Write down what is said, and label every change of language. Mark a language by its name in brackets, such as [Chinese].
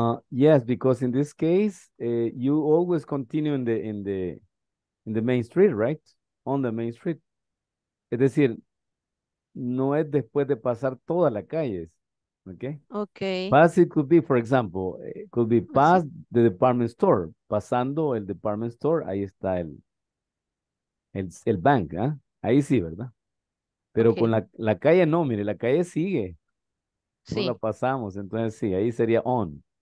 [English] Yes, because in this case, you always continue in the Main Street, right? On the Main Street. [Spanish] Es decir, no es después de pasar toda la calle. [English] Okay. Pass it could be, for example, it could be past the department store. [Spanish] Pasando el department store, ahí está el bank, ¿eh? Ahí sí, ¿verdad? Pero okay. Con la calle no, mire, la calle sigue. Sí. No la pasamos, entonces sí, ahí sería on.